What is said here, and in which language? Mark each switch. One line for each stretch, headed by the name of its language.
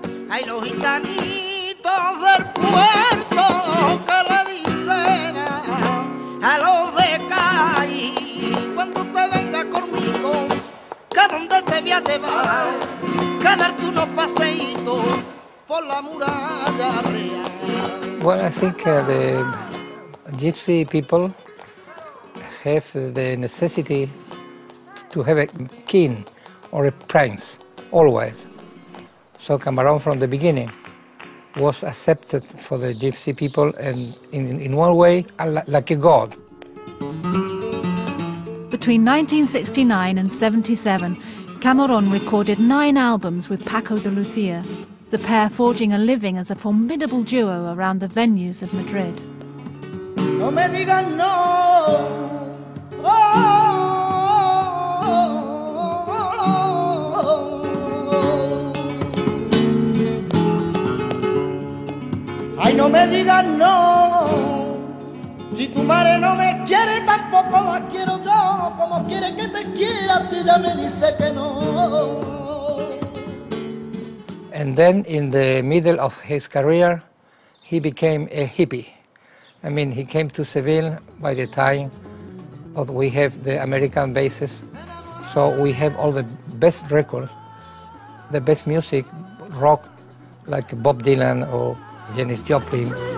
Spanish: Hay los gitanitos del puerto que le dicen a los de Cali, cuando te vengas conmigo, que donde te voy a llevar, que darte unos paseitos por la muralla real.
English: Well, I think the gypsy people have the necessity to have a king or a prince, always. So Camarón from the beginning was accepted for the gypsy people and in one way, like a god. Between 1969 and 77, Camarón recorded 9 albums with Paco de Lucía, the pair forging a living as a formidable duo around the venues of Madrid.
Spanish: No me digan no. Ay, no me digas no, si tu madre no me quiere, tampoco la quiero yo, como quiere que te quiera, si ella me dice que no.
English: And then in the middle of his career, he became a hippie. I mean, he came to Seville by the time that we have the American bases. So we have all the best records, the best music, rock, like Bob Dylan or Janis Joplin.